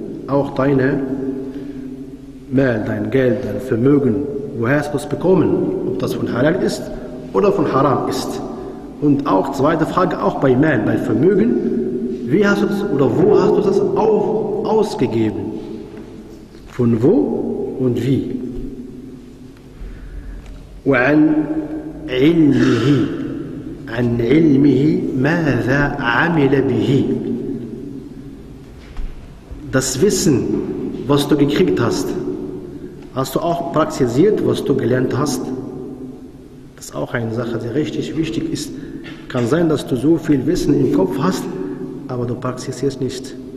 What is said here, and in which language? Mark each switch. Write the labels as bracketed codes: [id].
[de] Auch deine Mal, dein Geld, dein Vermögen, woher hast du es bekommen? Ob das von Halal ist oder von Haram ist? Und auch, zweite Frage, auch bei Mal, bei Vermögen, wie hast du das oder wo hast du das auch ausgegeben? Von wo und wie? [ar] وعن علمه عن علمه ماذا عمل به. [de] Das Wissen, was du gekriegt hast, hast du auch praktiziert, was du gelernt hast? Das ist auch eine Sache, die richtig wichtig ist. Kann sein, dass du so viel Wissen im Kopf hast, aber du praktizierst nicht.